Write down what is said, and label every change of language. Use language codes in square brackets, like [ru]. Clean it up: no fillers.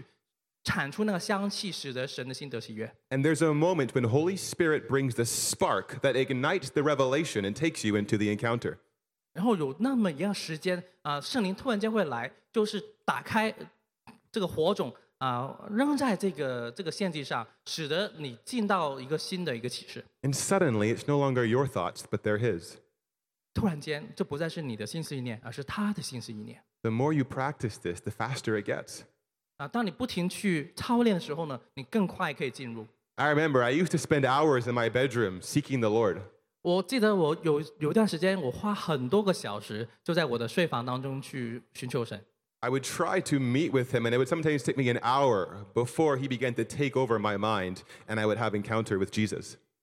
[zh] 因为你所顺服的那个动作，为着你的心思意念交上的时候，就像一个燃料一样，就像一个香膏一样，倾倒在地上，去产出那个香气，使得神的心得喜悦。 [en] And there's a moment when Holy Spirit brings the spark that ignites the revelation and takes you into the encounter. [zh] 然后有那么一样时间，圣灵突然间会来，就是打开这个火种，扔在这个献祭上，使得你进到一个新的一个启示。 [en] And suddenly, it's no longer your thoughts, but they're His. [zh] 突然间，这不再是你的心思意念，而是他的心思意念。 [en] The more you practice this, the faster it gets. [zh] 当你不停去操练的时候呢，你更快可以进入。 [en] I remember I used to spend hours in my bedroom seeking the Lord. [zh] 我记得我有段时间，我花很多个小时就在我的睡房当中去寻求神。 [en] I would try to meet with Him, and it would sometimes take me an hour before He began to take over my mind, and I would have encounter with Jesus.